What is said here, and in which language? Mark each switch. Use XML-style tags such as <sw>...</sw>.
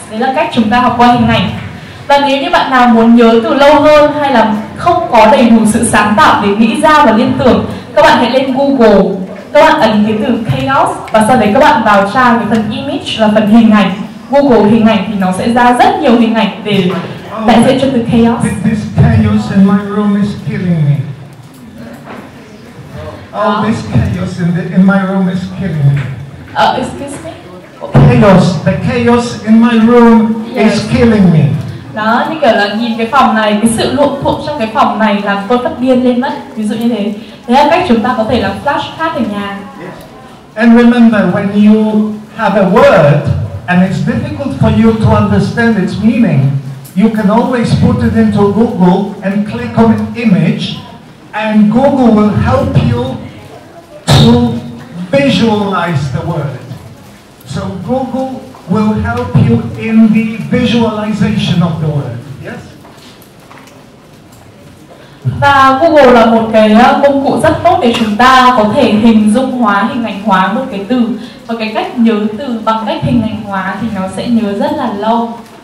<vi>Đấy là cách chúng ta học qua hình ảnh. Và nếu như bạn nào muốn nhớ từ lâu hơn hay là không có đầy đủ sự sáng tạo để nghĩ ra và liên tưởng, các bạn hãy lên Google, các bạn ấn cái từ chaos và sau đấy các bạn vào tra cái phần image là phần hình ảnh. Google hình ảnh thì nó sẽ ra rất nhiều hình ảnh để đại diện cho từ chaos.</vi> <en>This chaos in my room is killing me. Oh, this chaos in my room is killing me. Excuse me? Chaos, the chaos in my room is killing me.</en> <vi>Đó, như kiểu là nhìn cái phòng này, cái sự lộn xộn trong cái phòng này làm tôi phát điên lên mất. Ví dụ như thế. Thế là cách chúng ta có thể làm flashcard ở nhà.</vi> <en>And remember, when you have a word and it's difficult for you to understand its meaning, you can always put it into Google and click on an image and Google will help you to visualize the word. So Google will help you in the visualization of the word. Yes?</en> <vi>Và Google là một cái công cụ rất tốt để chúng ta có thể hình dung hóa, hình ảnh hóa một cái từ. Và cái cách nhớ từ bằng cách hình ảnh hóa thì nó sẽ nhớ rất là lâu.</vi>